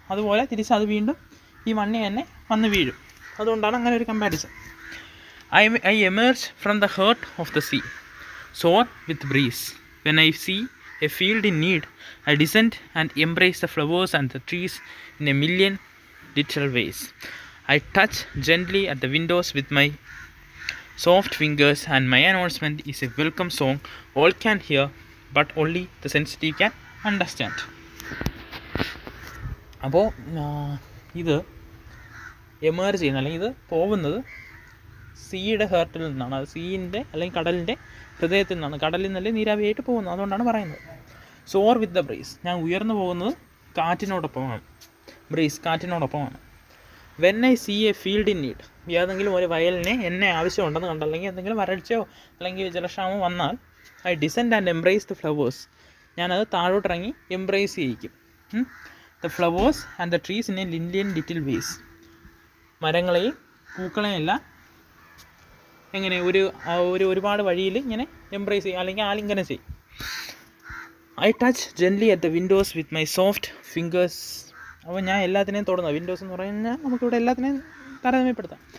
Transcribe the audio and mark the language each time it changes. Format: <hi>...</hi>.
<ml>അതുപോലെ തിരിച്ച് അത് വീണ്ടും ഈ മണ്ണിൽ തന്നെ വന്ന് വീഴും. അതുകൊണ്ടാണ് അങ്ങനെ ഒരു comparison.</ml> <en>I emerge from the heart of the sea, soar with breeze. When I see a field in need, I descend and embrace the flowers and the trees in a million little ways. I touch gently at the windows with my soft fingers, and my announcement is a welcome song all can hear, but only the sensitive can understand.</en> <ml>അപ്പോൾ ഇത് emerge ചെയ്യുന്ന അല്ലെങ്കിൽ ഇത് പോകുന്നത് സീയുടെ ഹേർട്ടിൽ നിന്നാണ്, അത് സീൻ്റെ അല്ലെങ്കിൽ കടലിൻ്റെ ഹൃദയത്തിൽ നിന്നാണ്, കടലിൽ നിന്നല്ലേ നീരാവിയായിട്ട് പോകുന്നത്, അതുകൊണ്ടാണ് പറയുന്നത്.</ml> <en>soar with the breeze,</en> <ml>ഞാൻ ഉയർന്നു പോകുന്നത് കാറ്റിനോടൊപ്പമാണ്, breeze കാറ്റിനോടൊപ്പമാണ്.</ml> <en>when I see a field in need,</en> <ml>ഏതെങ്കിലും ഒരു വയലിനെ എന്നെ ആവശ്യമുണ്ടെന്ന് കണ്ടോ, അല്ലെങ്കിൽ എന്തെങ്കിലും വരൾച്ചയോ അല്ലെങ്കിൽ ജലക്ഷാമോ വന്നാൽ,</ml> <en>I descend and embrace the flowers,</en> <ml>ഞാനത് താഴോട്ടിറങ്ങി embrace ചെയ്യിക്കും.</ml> <en>The flowers and the trees in a million little ways.</en> <ml>മരങ്ങളെയും പൂക്കളെയല്ല എങ്ങനെ ഒരു ഒരു ഒരുപാട് വഴിയിൽ ഇങ്ങനെ എംബ്രേസ് ചെയ്യും അല്ലെങ്കിൽ ആലിംഗനം ചെയ്യും.</ml> <en>I touch gently at the windows with my soft fingers.</en> <ml>അപ്പോൾ ഞാൻ എല്ലാത്തിനെയും തുടർന്ന് വിൻഡോസ് എന്ന് പറഞ്ഞാൽ നമുക്കിവിടെ എല്ലാത്തിനെയും താരതമ്യപ്പെടുത്താം.</ml>